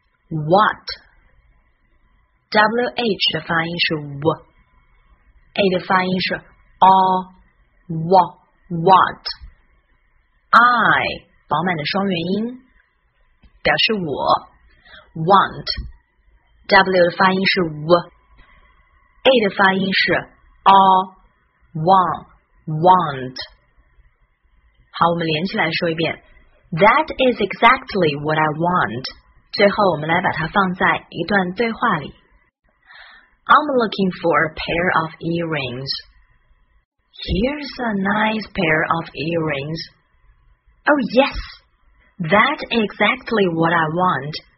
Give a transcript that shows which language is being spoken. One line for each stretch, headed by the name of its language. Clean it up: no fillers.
Chinese: what, wh 的发音是 w, a 的发音是 all,What? I, 饱满的双元音，表示我。 Want, W 的发音是 W, A 的发音是 All, Want, Want。好，我们连起来说一遍，
English: That is exactly what I want。
Chinese: 最后我们来把它放在一段对话里。
English: I'm looking for a pair of earrings. Here's a nice pair of earrings. Oh, yes. That's exactly what I want.